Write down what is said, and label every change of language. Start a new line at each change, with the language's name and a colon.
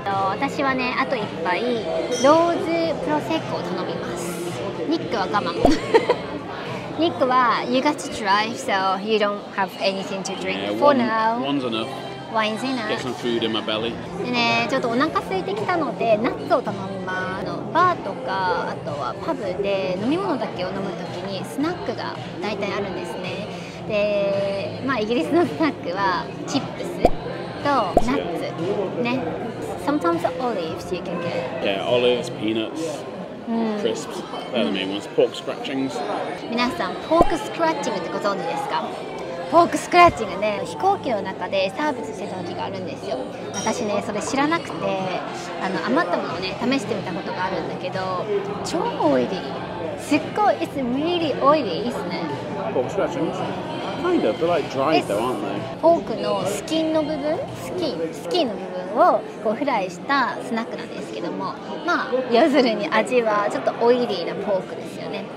Japanese: 私はね、あと一杯ローズプロセッコを頼みます。ニックは我慢。ニックは
English: You got to drive, so you don't have anything to drink for now. One's enough. Wine's enough. Get some food in my belly.
Japanese: でね、ちょっとお腹空いてきたのでナッツを頼みます。あのバーとかあとはパブで飲み物だけを飲むとき。スナックが大体あるんですね。で、まあ、イギリスのスナックはチップスとナッツね。
English: Sometimes olives you can get. Yeah, olives, peanuts, crisps. They're the main ones. Pork scratchings.
Japanese: 皆さん、ポークスクラッチングってご存知ですか？ポークスクラッチングね、飛行機の中でサービスしてた時があるんですよ。私ね、それ知らなくて、あの余ったものをね、試してみたことがあるんだけど、超オイリー。すっごい、
English: it's really oily, isn't it? Pork scratchings? Kind of, they're like dried though, aren't they?
Japanese: ポークのスキンの部分、スキンの部分をこうフライしたスナックなんですけども、まあ、要するに味はちょっとオイリーなポークですよね。